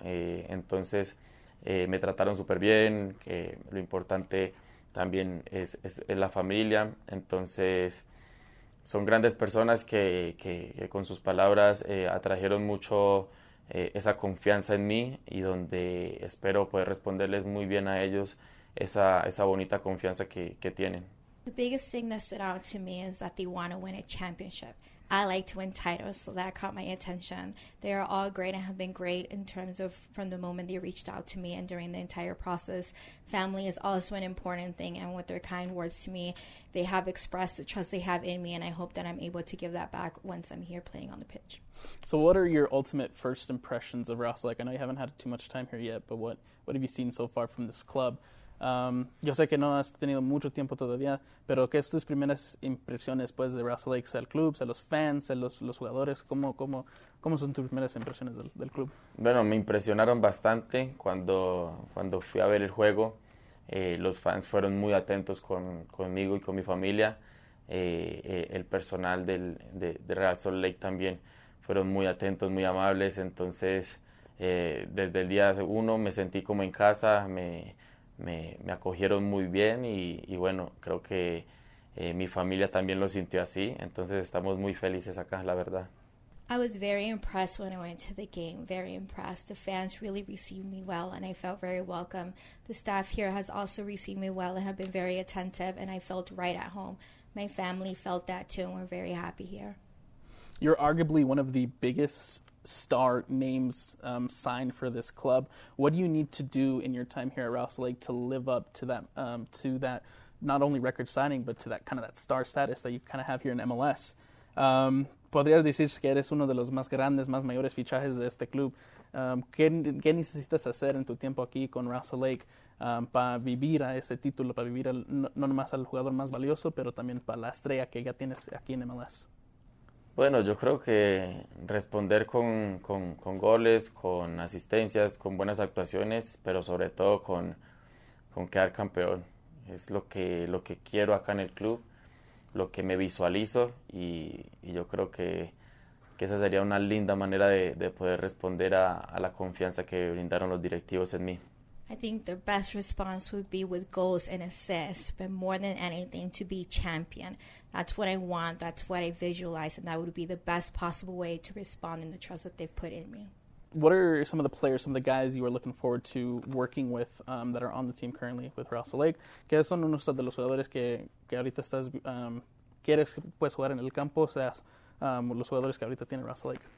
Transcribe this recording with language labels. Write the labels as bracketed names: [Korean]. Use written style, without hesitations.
[Spanish] Entonces me trataron súper bien, que lo importante también es la familia. Entonces son grandes personas que con sus palabras atrajeron mucho esa confianza en mí, y donde espero poder responderles muy bien a ellos esa bonita confianza que tienen. [English] The biggest thing that stood out to me is that they want to win a championship. I like to win titles, so that caught my attention. They are all great and have been great in terms of from the moment they reached out to me and during the entire process. Family is also an important thing, and with their kind words to me, they have expressed the trust they have in me, and I hope that I'm able to give that back once I'm here playing on the pitch. So what are your ultimate first impressions of Rouselet? Like, I know you haven't had too much time here yet, but what have you seen so far from this club? [Spanish] Yo sé que no has tenido mucho tiempo todavía, pero ¿qué es tus primeras impresiones después de Rouselet Lake, el club, los fans, los jugadores? ¿Cómo son tus primeras impresiones del club? Bueno, me impresionaron bastante cuando fui a ver el juego. Los fans fueron muy atentos conmigo y con mi familia. El personal de Rouselet Lake también fueron muy atentos, muy amables. Entonces, desde el día uno me sentí como en casa, me acogieron muy bien y bueno, creo que mi familia también lo sintió así, entonces estamos muy felices acá, la verdad. [English] I was very impressed when I went to the game, very impressed. The fans really received me well and I felt very welcome. The staff here has also received me well and have been very attentive and I felt right at home. My family felt that too and we're very happy here. You're arguably one of the biggest star names signed for this club. What do you need to do in your time here at Rouselet Lake to live up to that not only record signing but to that kind of that star status that you kind of have here in MLS? [Spanish] Podría decir que eres uno de los más grandes, más mayores fichajes de este club. ¿Qué necesitas hacer en tu tiempo aquí con Rouselet Lake para vivir a ese título, para vivir no nomás al jugador más valioso, pero también para la estrella que ya tienes aquí en MLS? Bueno, yo creo que responder con goles, con asistencias, con buenas actuaciones, pero sobre todo con quedar campeón. Es lo que quiero acá en el club, lo que me visualizo, y yo creo que que esa sería una linda manera de poder responder a la confianza que brindaron los directivos en mí. [English] I think their best response would be with goals and assists, but more than anything, to be champion. That's what I want, that's what I visualize, and that would be the best possible way to respond in the trust that they've put in me. What are some of the players, some of the guys you are looking forward to working with that are on the team currently with Real Salt Lake? [Spanish] ¿Qué son unos de los jugadores que ahorita estás quieres que puedes jugar en el campo, o sea, los jugadores que ahorita tiene Real Salt Lake?